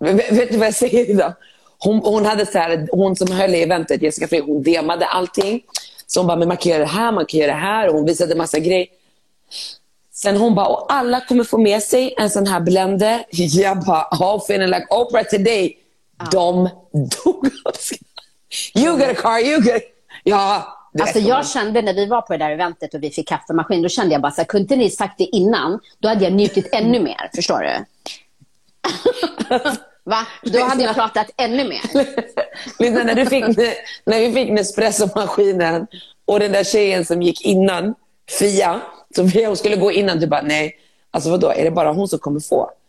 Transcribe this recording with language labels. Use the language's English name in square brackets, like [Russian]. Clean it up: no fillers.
[Swedish] Vet du vad jag säger idag? Hon hade så här, hon som höll i eventet, Jessica Frey, hon demade allting. Så hon bara, man kan göra det här, man kan göra det här. Och hon visade massa grejer. Sen hon bara, och alla kommer få med sig en sån här blender. Jag bara, [English] I'll feel like Oprah today. [Swedish] De dog. [English] You get a car, you get... Ja, [Swedish] alltså jag kände när vi var på det där eventet och vi fick kaffemaskin, då kände jag bara, så här, kunde ni sagt det innan? Då hade jag njutit ännu mer, förstår du? Va? Då hade jag pratat ännu mer. Lisa, när vi fick Nespresso-maskinen och den där tjejen som gick innan, Fia, som hon skulle gå innan, du bara, nej, alltså vadå, är det bara hon som kommer få?